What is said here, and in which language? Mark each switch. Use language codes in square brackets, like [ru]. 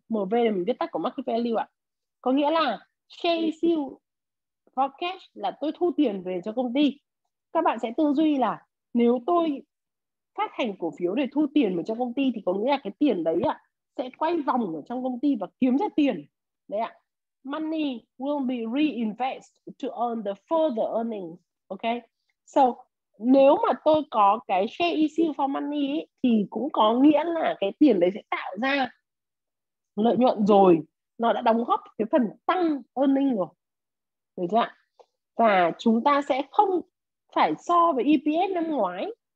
[vi] MV là mình viết tắt của market value ạ. Có nghĩa là [en] share issue for cash [vi] là tôi thu tiền về cho công ty. Các bạn sẽ tư duy là nếu tôi phát hành cổ phiếu để thu tiền về cho công ty thì có nghĩa là cái tiền đấy ạ sẽ quay vòng ở trong công ty và kiếm ra tiền. Đấy ạ. [en] Money will be reinvested to earn the further earnings. Okay? [vi] So, nếu mà tôi có cái [en] share issue for money [vi] ấy, thì cũng có nghĩa là cái tiền đấy sẽ tạo ra lợi nhuận rồi. Nó đã đóng góp cái phần tăng earning rồi. Được chưa ạ? Và chúng ta sẽ không phải so với EPS năm ngoái.